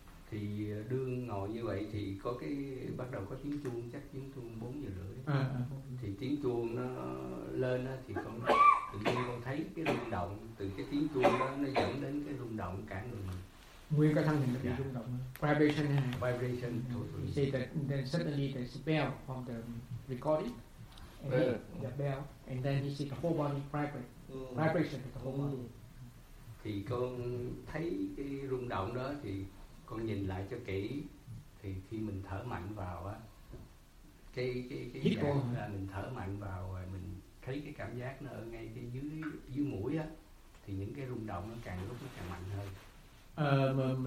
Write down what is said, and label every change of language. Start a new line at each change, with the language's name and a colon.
Vietnamese: Thì đương ngồi như vậy thì có cái bắt đầu có tiếng chuông, chắc tiếng chuông 4:30. Thì tiếng chuông nó lên á thì con tự nhiên con thấy cái rung động từ cái tiếng chuông đó nó dẫn đến cái rung động cả người mình. Nguyên cái thân hình nó bị rung động.
English: Vibration. Vibration. See that then suddenly the bell from the recording. The bell and then you see the whole body vibration of the whole body.
Vietnamese: Thì con thấy cái rung động đó thì con nhìn lại cho kỹ thì khi mình thở mạnh vào á cái dạng là mình thở mạnh vào rồi mình thấy cái cảm giác nó ở ngay cái dưới mũi á thì những cái rung động nó càng lúc nó càng mạnh hơn.